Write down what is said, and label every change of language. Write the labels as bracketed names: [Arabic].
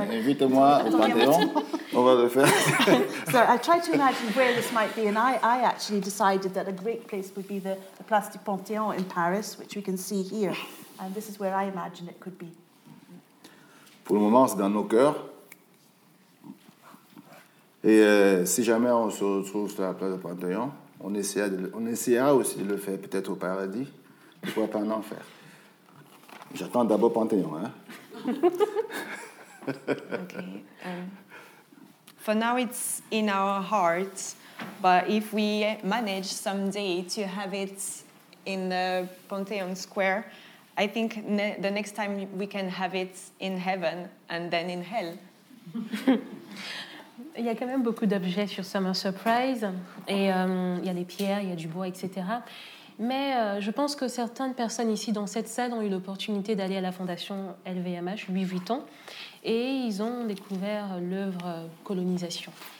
[French] Invite-moi au Panthéon, on va le faire. [English] So I tried to imagine where this might be, and I actually decided that a great place would be the Place du Panthéon in Paris, which we can see here. And this is where I imagine it could be. [French] Pour le moment, c'est dans nos cœurs. Et si jamais on se retrouve sur la place de Panthéon, on essaiera aussi de le faire peut-être au paradis. Pourquoi pas en enfer? J'attends d'abord Panthéon, hein. [English] For now, it's in our hearts, but if we manage someday to have it in the Panthéon Square, I think the next time we can have it in heaven and then in hell. [French] Il y a quand même beaucoup d'objets sur Summer Surprise, et il y a des pierres, il y a du bois, etc. Mais je pense que certaines personnes ici dans cette salle ont eu l'opportunité d'aller à la fondation LVMH, 8-8 ans, et ils ont découvert l'œuvre Colonisation.